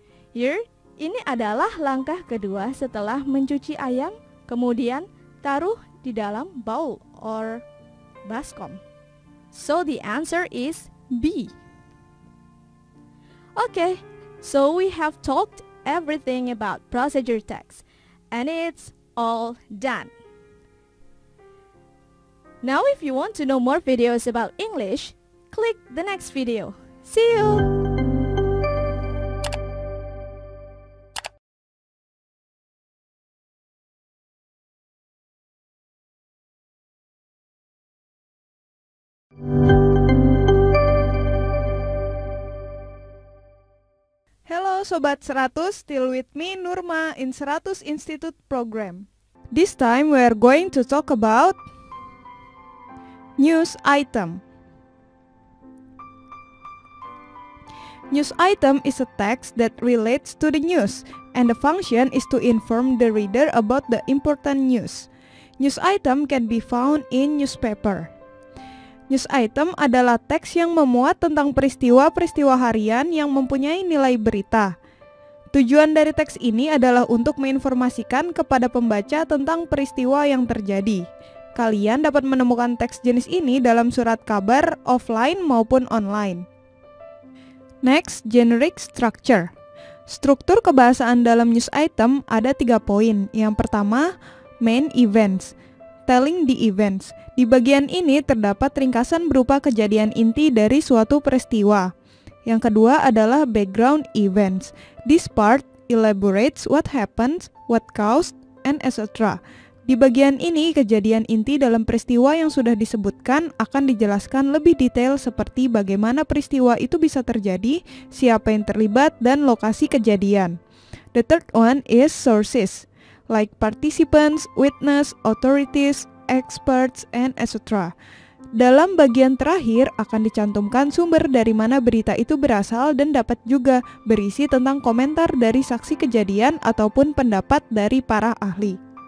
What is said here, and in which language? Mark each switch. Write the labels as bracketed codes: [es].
[id] Here, ini adalah langkah kedua setelah mencuci ayam, kemudian taruh di dalam bowl or baskom. [en] So the answer is B. Okay, so we have talked everything about procedure text, and it's all done. Now, if you want to know more videos about English, click the next video. See you! Hello Sobat 100, still with me Nurma in 100 Institute Program. This time we are going to talk about news item. News item is a text that relates to the news, and the function is to inform the reader about the important news. News item can be found in newspaper. [id] News item adalah teks yang memuat tentang peristiwa-peristiwa harian yang mempunyai nilai berita. Tujuan dari teks ini adalah untuk menginformasikan kepada pembaca tentang peristiwa yang terjadi. Kalian dapat menemukan teks jenis ini dalam surat kabar offline maupun online. Next, generic structure. Struktur kebahasaan dalam news item ada 3 poin. Yang pertama, [en] main events. Telling the events. [id] Di bagian ini terdapat ringkasan berupa kejadian inti dari suatu peristiwa. Yang kedua adalah background events. [en] This part elaborates what happened, what caused, and etc. [id] Di bagian ini, kejadian inti dalam peristiwa yang sudah disebutkan akan dijelaskan lebih detail seperti bagaimana peristiwa itu bisa terjadi, siapa yang terlibat, dan lokasi kejadian. [en] The third one is sources, like participants, witness, authorities, experts, and etc. [id] Dalam bagian terakhir akan dicantumkan sumber dari mana berita itu berasal dan dapat juga berisi tentang komentar dari saksi kejadian ataupun pendapat dari para ahli.